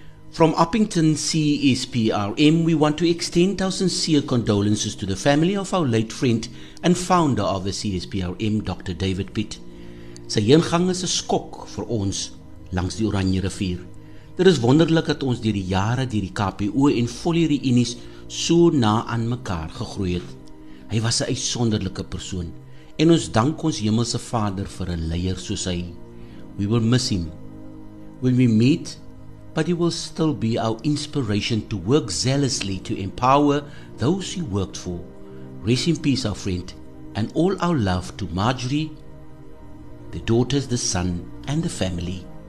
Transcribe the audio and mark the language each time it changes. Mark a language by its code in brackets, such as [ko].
[en] From Uppington CESPRM, we want to extend our sincere condolences to the family of our late friend and founder of the CESPRM, Dr. David Piet. [af] Sy heengang is 'n skok vir ons langs die Oranje rivier. Dit is wonderlik dat ons deur die jare deur die KPO en volle reunies so na aan mekaar gegroei het. Hy was 'n uitsonderlike persoon en ons dank ons hemelse Vader vir 'n leier soos hy. [en] We will miss him when we meet, but he will still be our inspiration to work zealously to empower those he worked for. Rest in peace, our friend, and all our love to Marjorie, the daughters, the son, and the family.